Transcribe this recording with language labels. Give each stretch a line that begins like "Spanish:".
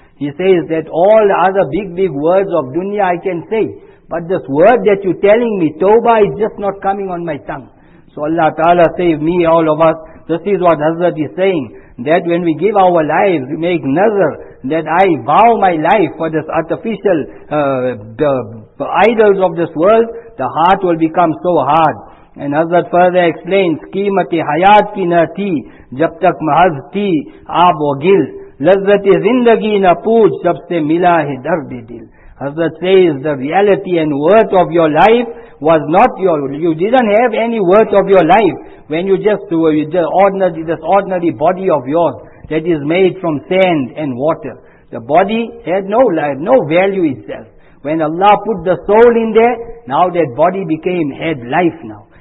English: He says that all the other big words of dunya I can say, but this word that you're telling me, tawbah, is just not coming on my tongue. So Allah Ta'ala save me, all of us. This is what Hazrat is saying, that when we give our lives, we make nazar, that I vow my life for this artificial the idols of this world, the heart will become so hard. And Hazrat further explains,
Urdu: قیمت حیات کی نہ تھی جب تک محض تھی آب و گل لذت زندگی نہ پوچھ جب سے ملا ہے درد دل.
English: Hazrat says, the reality and worth of your life was not you didn't have any worth of your life when you just were this ordinary body of yours that is made from sand and water. The body had no life, no value itself. When Allah put the soul in there, now that body became had life now.